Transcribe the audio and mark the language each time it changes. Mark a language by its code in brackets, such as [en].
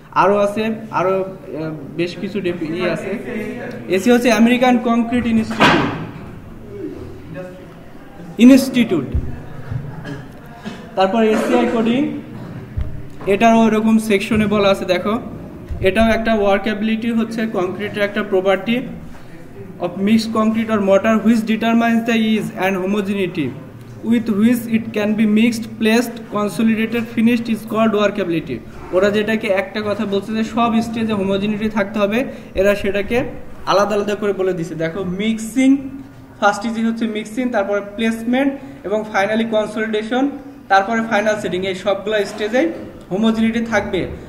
[bn] আরও আছে, আরও বেশ কিছু আছে। এসি হচ্ছে আমেরিকান কংক্রিট ইনস্টিটিউট। তারপর এসিআই কোডিং, এটাও এরকম সেকশনে বলা আছে। দেখো এটাও একটা ওয়ার্কেবিলিটি হচ্ছে কংক্রিটের একটা property. [en] of mixed concrete or mortar which determines the ease and homogeneity with which it can be mixed, placed, consolidated, finished is called workability. [bn] ওরা যেটাকে একটা কথা বলছে যে সব স্টেজে হোমোজিনিটি থাকতে হবে, এরা সেটাকে আলাদা আলাদা করে বলে দিছে। দেখো মিক্সিং ফার্স্ট স্টেজ হচ্ছে মিক্সিং, তারপরে প্লেসমেন্ট এবং ফাইনালি কনসলিডেশন, তারপরে ফাইনাল সেটিং, এই সবগুলো স্টেজে হোমোজিনিটি থাকবে।